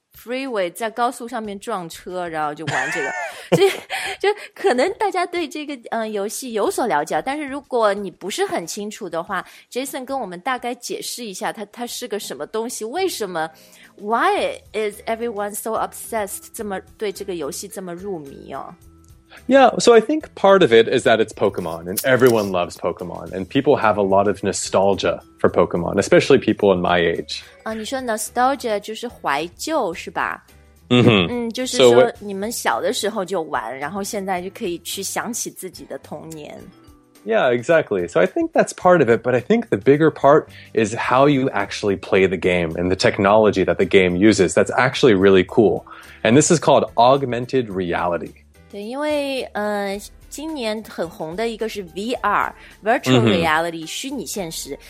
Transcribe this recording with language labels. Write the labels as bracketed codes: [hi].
[zh] Freeway 在高速上面撞车然后就玩这个。所以就可能大家对这个游戏有所了解，但是如果你不是很清楚的话， Jason 跟我们大概解释一下它是个什么东西，为什么 [en] Why is everyone so obsessed, [zh] 这么对这个游戏这么入迷哦？ [en] Yeah, so I think part of it is that it's Pokemon, and everyone loves Pokemon, and people have a lot of nostalgia for Pokemon, especially people in my age. [zh] 你说 nostalgia 就是怀旧是吧？就是说你们小的时候就玩，然后现在就可以去想起自己的童年。 [en] Yeah, exactly. So I think that's part of it, but I think the bigger part is how you actually play the game and the technology that the game uses. That's actually really cool. And this is called augmented reality. [zh] 对，因为今年很红的一个是 VR, virtual reality, 虚拟现实。